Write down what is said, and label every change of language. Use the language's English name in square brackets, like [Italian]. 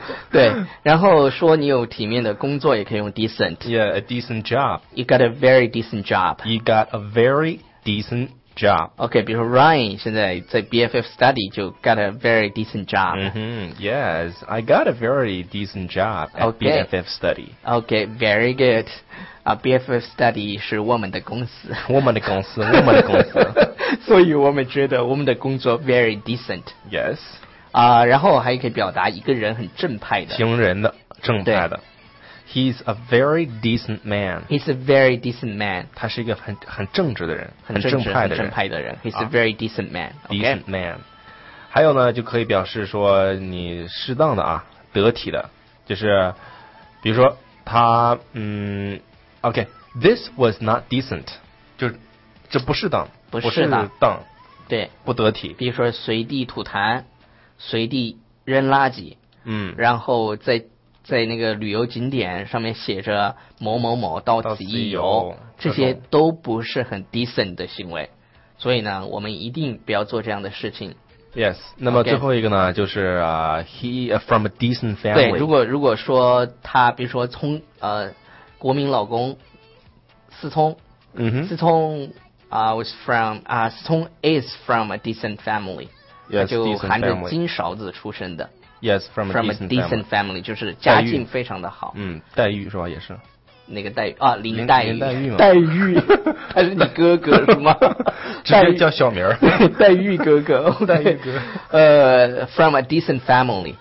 [Chinese] 对，然后说你有体面的工作也可以用 decent. [English] Yeah, a decent job. You got a very decent job. You got a very decent job. [Chinese] OK, 比如说 Ryan 现在在 BFF study 就 [English] got a very decent job. Yes, I got a very decent job at okay. BFF study. OK, very good. [Chinese] BFF study 是我们的公司。我们的公司。所以我们觉得我们的工作 very decent. [English] Yes. [Chinese] 然后还可以表达一个人很正派的。行人的正派的。 [English] He's a very decent man. He's a very decent man. [Chinese] 他是一个很正直的人，很正派的人。 [English] He's a very decent man.、Okay. Decent man. [Chinese] 还有呢，就可以表示说你适当的啊，得体的，就是比如说他 [English] OK, this was not decent. [Chinese] 就这不适当。不适当，对，不得体。比如说随地吐痰，随地扔垃圾，嗯，然后在那个旅游景点上面写着某某某到此一游，这些都不是很 decent 的行为，所以呢，我们一定不要做这样的事情。 Yes, 那么最后一个呢， [English] okay. [Chinese] 就是 [English] he from a decent family. [Chinese] 对，如果说他，比如说聪国民老公思聪，嗯哼，思聪。 [English] Stone is from a decent family. Yes, [Chinese] 就含着金勺子出身的。 [English] Yes, from [Chinese] a decent family, 就是家境非常的好。嗯，黛玉是吧？也是。那个黛玉啊，林黛玉。林黛玉吗？黛玉，他是你哥哥是吗？直接叫小名儿。黛玉哥哥，黛玉哥。 [English] From a decent family,